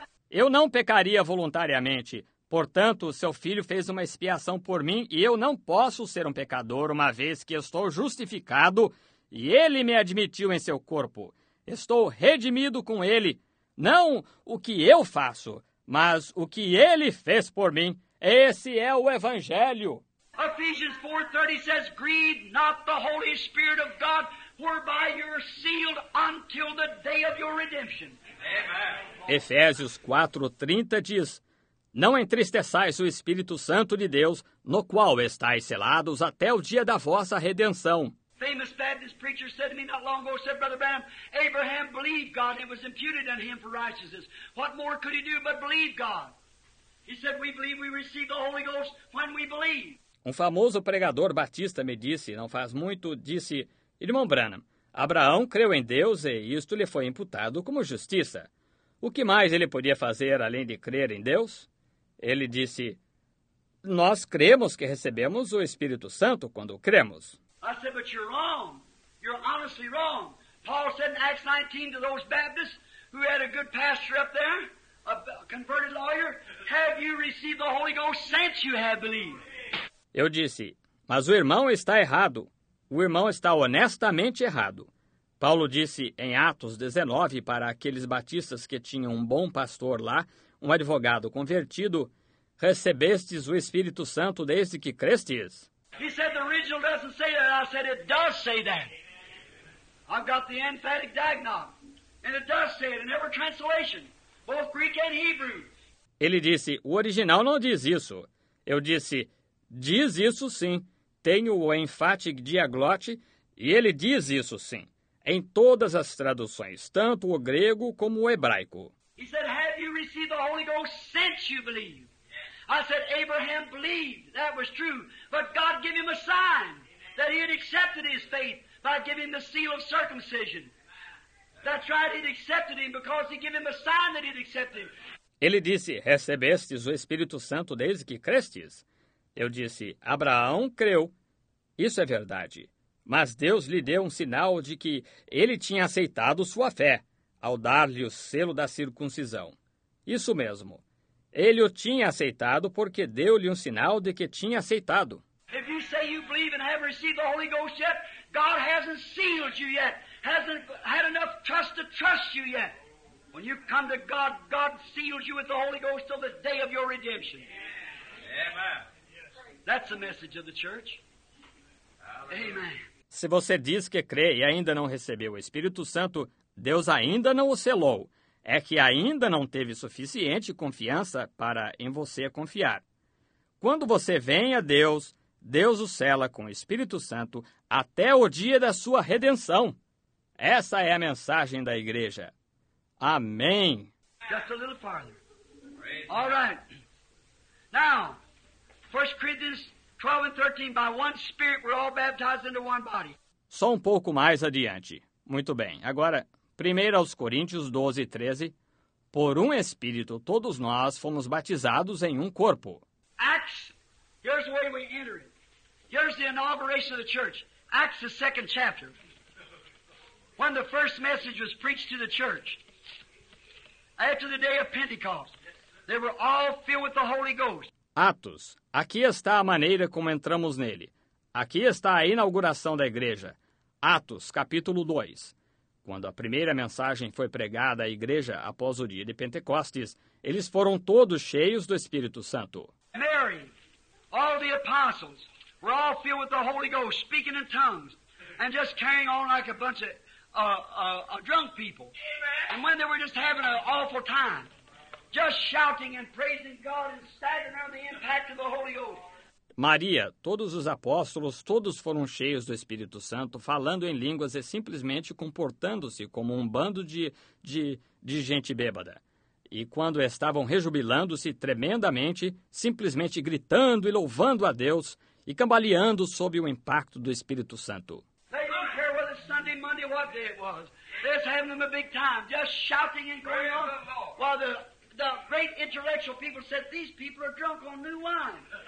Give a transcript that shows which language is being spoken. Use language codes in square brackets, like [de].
[pt] Eu não pecaria voluntariamente. Portanto, seu filho fez uma expiação por mim e eu não posso ser um pecador uma vez que estou justificado e ele me admitiu em seu corpo. Estou redimido com ele, não o que eu faço, mas o que ele fez por mim. Esse é o Evangelho. [en] Ephesians 4:30 says, "Grieve not the Holy Spirit of God, whereby you're sealed until the day of your redemption." Amen. [pt] Efésios 4:30 diz, "Não entristeçais o Espírito Santo de Deus, no qual estáis selados até o dia da vossa redenção." [en] Famous Baptist preacher said to me not long ago, said, "Brother Branham, Abraham believed God, it was imputed unto him for righteousness. What more could he do but believe God?" He said, "We believe we receive the Holy Ghost when we believe." [pt] Um famoso pregador batista me disse, não faz muito, disse, "Irmão Branham, Abraão creu em Deus e isto lhe foi imputado como justiça. O que mais ele podia fazer além de crer em Deus?" Ele disse, "Nós cremos que recebemos o Espírito Santo quando cremos." [en] I said, "But you're wrong. You're honestly wrong. Paul said in Acts 19 to those Baptists who had a good pastor up there, a converted lawyer, 'Have you received the Holy Ghost since you have believed?'" [pt] Eu disse, "Mas o irmão está errado. O irmão está honestamente errado." Paulo disse em Atos 19 para aqueles batistas que tinham um bom pastor lá, um advogado convertido, "Recebestes o Espírito Santo desde que crestes?" [en] He said the original doesn't say that. I said it does say that. I've got the emphatic diagnostic. And it does say it in every translation, both Greek and Hebrew. [pt] Ele disse, "O original não diz isso." Eu disse, "Diz isso sim. Tenho o emphatic diaglote e ele diz isso sim. Em todas as traduções, tanto o grego como o hebraico." [en] He said, "Have you received the Holy Ghost since you believe?" I said, "Abraham believed, that was true, but God gave him a sign that he had accepted his faith by giving the seal of circumcision." That's right, he'd accepted him because he gave him a sign that he'd accepted. [pt] Ele disse, "Recebestes o Espírito Santo desde que crestes?" Eu disse, "Abraão creu." "Isso é verdade. Mas Deus lhe deu um sinal de que ele tinha aceitado sua fé, ao dar-lhe o selo da circuncisão." "Isso mesmo. Ele o tinha aceitado porque deu-lhe um sinal de que tinha aceitado." [en] If you say you believe and haven't received the Holy Ghost yet, God hasn't sealed you yet, hasn't had enough trust to trust you yet. When you come to God, God seals you with the Holy Ghost till the day of your redemption. Amen. That's the message of the church. Amen. [pt] Se você diz que crê e ainda não recebeu o Espírito Santo, Deus ainda não o selou. É que ainda não teve suficiente confiança para em você confiar. Quando você vem a Deus, Deus o sela com o Espírito Santo até o dia da sua redenção. Essa é a mensagem da igreja. Amém. [en] Just a little farther. All right. Now, 1 Corinthians 12 and 13, by one spirit we're all baptized into one body. [pt] Só um pouco mais adiante. Muito bem. Agora, 1 aos Coríntios 12, 13. Por um espírito todos nós fomos batizados em um corpo. [en] Acts, here's the way we enter it. Here's the inauguration of the church. Acts, the second chapter. When the first message was preached to the church. After the day of Pentecost, they were all filled with the Holy Ghost. [pt] Atos, aqui está a maneira como entramos nele. Aqui está a inauguração da igreja. Atos, capítulo 2. Quando a primeira mensagem foi pregada à igreja após o dia de Pentecostes, eles foram todos cheios do Espírito Santo. [en] Mary, all the apostles were all filled with the Holy Ghost, speaking in tongues, and just carrying on like a bunch of drunk people. And when they were just having an awful time, just shouting and praising God and staggering under the impact of the Holy Ghost. [pt] Maria, todos os apóstolos, todos foram cheios do Espírito Santo, falando em línguas e simplesmente comportando-se como um bando de gente bêbada. E quando estavam rejubilando-se tremendamente, simplesmente gritando e louvando a Deus e cambaleando sob o impacto do Espírito Santo. [en] They don't care whether it's Sunday, Monday, what day it was. They're just having them a big time, just shouting and going on. While the great intellectual people said, these people are drunk on new wine.